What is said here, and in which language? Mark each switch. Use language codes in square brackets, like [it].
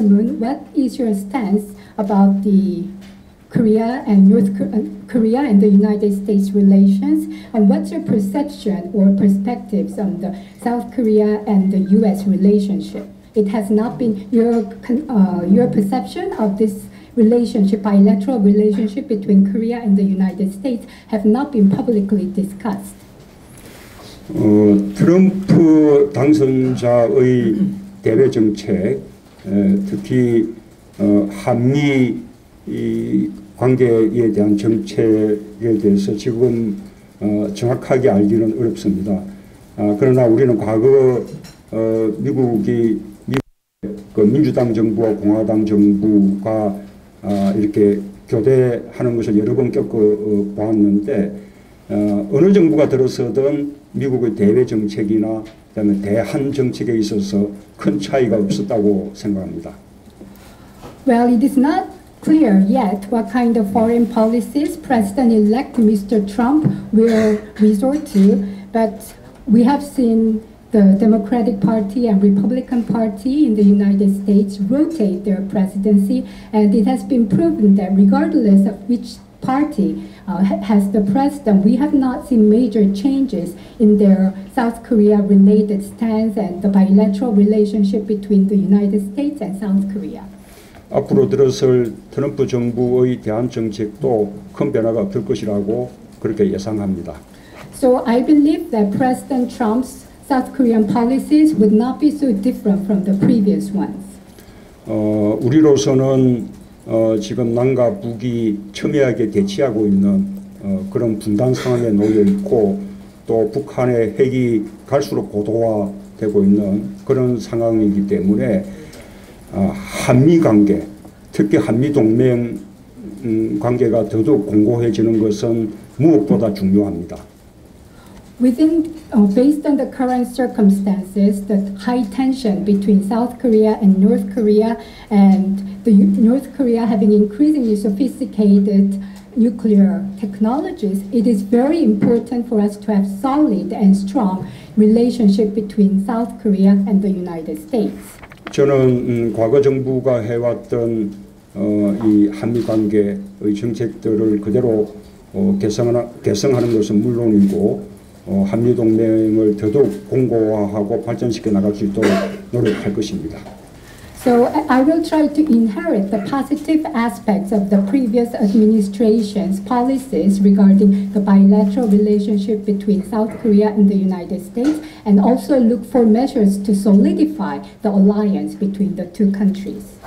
[en] Moon, what is your stance about the Korea and North Korea and the United States relations, and what's your perception or perspectives on the South Korea and the U.S. relationship? It has not been your perception of this relationship, bilateral relationship between Korea and the United States, have not been publicly discussed. [ko] 트럼프 당선자의 대외 정책, 특히 한미 이 관계에 대한 정책에 대해서 지금 정확하게 알기는 어렵습니다. 그러나 우리는 과거 미국이 그 민주당 정부와 공화당 정부가 이렇게 교대하는 것을 여러 번 겪어보았는데, 어느 정부가 들어서든 미국의 대외 정책이나 그다음에 대한 정책에 있어서 큰 차이가 없었다고 생각합니다. [en] Well, it is not clear yet what kind of foreign policies President-elect Mr. Trump will resort to, but we have seen the Democratic Party and Republican Party in the United States rotate their presidency, and it has been proven that regardless of which party has the president, we have not seen major changes in their South Korea-related stance and the bilateral relationship between the United States and South Korea. [ko] 앞으로 들어설 트럼프 정부의 대한 정책도 큰 변화가 없을 것이라고 그렇게 예상합니다. [en] So I believe that President Trump's South Korean policies would not be so different from the previous ones. [ko] 우리로서는 지금 남과 북이 첨예하게 대치하고 있는 그런 분단 상황에 놓여 있고, 또 북한의 핵이 갈수록 고도화되고 있는 그런 상황이기 때문에 한미 관계, 특히 한미 동맹 관계가 더더욱 공고해지는 것은 무엇보다 중요합니다. [en] Within, based on the current circumstances, the high tension between South Korea and North Korea, and the North Korea having increasingly sophisticated nuclear technologies, it is very important for us to have solid and strong relationship between South Korea and the United States. [ko] 저는 과거 정부가 해왔던 이 한미 관계의 정책들을 그대로 개선하는 것은 물론이고, 한미 동맹을 더더욱 공고화하고 발전시켜 나갈 수 있도록 노력할 것입니다. [en] So I will try to inherit the positive aspects of the previous administration's policies regarding the bilateral relationship between South Korea and the United States, and also look for measures to solidify the alliance between the two countries.